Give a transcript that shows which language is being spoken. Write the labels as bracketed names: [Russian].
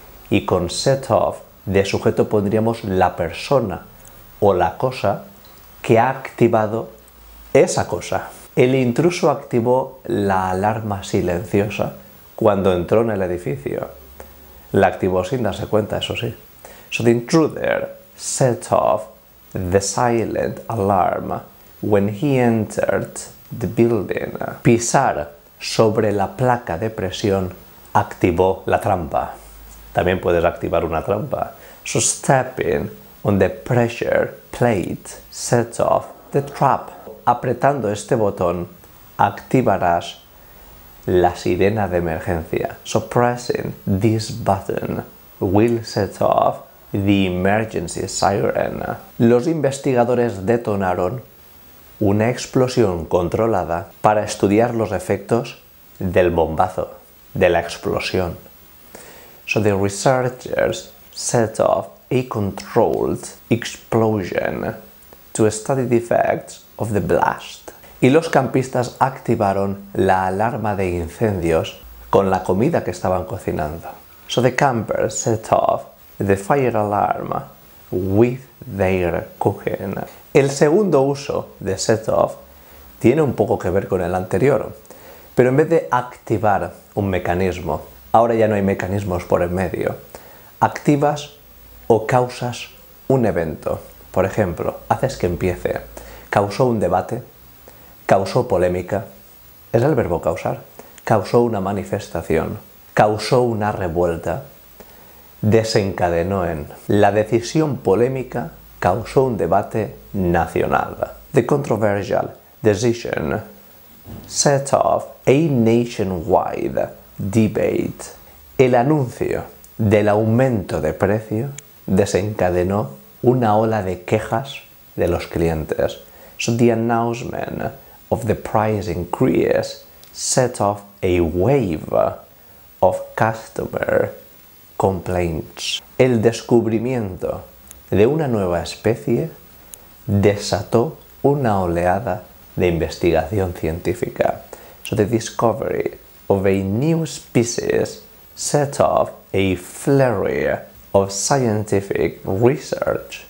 [Spanish] Y con set off, de sujeto pondríamos la persona o la cosa que ha activado esa cosa. El intruso activó la alarma silenciosa cuando entró en el edificio. La activó sin darse cuenta, eso sí. [English] So the intruder set off the silent alarm when he entered the building. [Spanish] Pisar sobre la placa de presión activó la trampa. También puedes activar una trampa. [English] So stepping on the pressure plate set off the trap. [Spanish] Apretando este botón activarás la sirena de emergencia. [English] So pressing this button will set off the emergency siren. [Spanish] Los investigadores detonaron una explosión controlada para estudiar los efectos del bombazo, de la explosión. [English] So the researchers set off a controlled explosion to study the effects of the blast. [Spanish] Y los campistas activaron la alarma de incendios con la comida que estaban cocinando. [English] So the campers set off the fire alarm with their cooking. [Spanish] El segundo uso de set off tiene un poco que ver con el anterior, pero en vez de activar un mecanismo, ahora ya no hay mecanismos por en medio, activas o causas un evento. Por ejemplo, haces que empiece. Causó un debate, causó polémica, es el verbo causar, causó una manifestación, causó una revuelta, desencadenó en. La decisión polémica causó un debate nacional. [English] The controversial decision set off a nationwide debate. [Spanish] El anuncio del aumento de precio desencadenó una ola de quejas de los clientes. [English] So the announcement of the price increase set off a wave of customer complaints. [Spanish] El descubrimiento de una nueva especie desató una oleada de investigación científica. [English] So the discovery of a new species set off a flurry of scientific research.